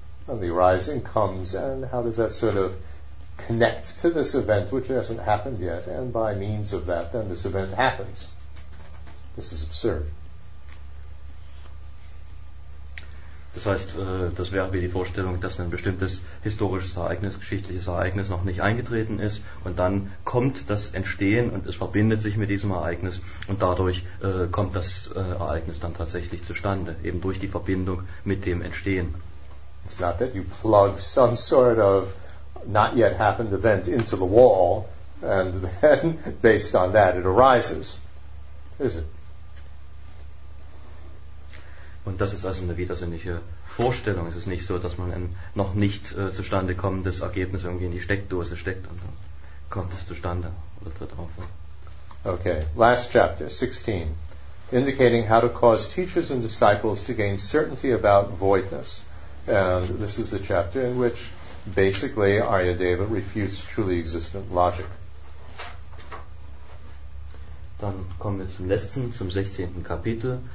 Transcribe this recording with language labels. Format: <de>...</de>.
<en>And the arising comes, and how does that sort of connect to this event which hasn't happened yet? And by means of that, then this event happens. This is absurd.</en> <de>Das heißt, das wäre wie die Vorstellung, dass ein bestimmtes historisches Ereignis, geschichtliches Ereignis noch nicht eingetreten ist und dann kommt das Entstehen und es verbindet sich mit diesem Ereignis und dadurch kommt das Ereignis dann tatsächlich zustande, eben durch die Verbindung mit dem Entstehen.</de> <en>It's not that you plug some sort of not yet happened event into the wall and then based on that it arises, is it?</en> <de>Und das ist also eine widersinnliche Vorstellung. Es ist nicht so, dass man ein noch nicht zustande kommendes Ergebnis irgendwie in die Steckdose steckt und dann kommt es zustande oder tritt auf.</de> <en>Okay, last chapter, 16. Indicating how to cause teachers and disciples to gain certainty about voidness. And this is the chapter in which basically Aryadeva refutes truly existent logic.</en> <de>Dann kommen wir zum letzten, zum 16. Kapitel.</de>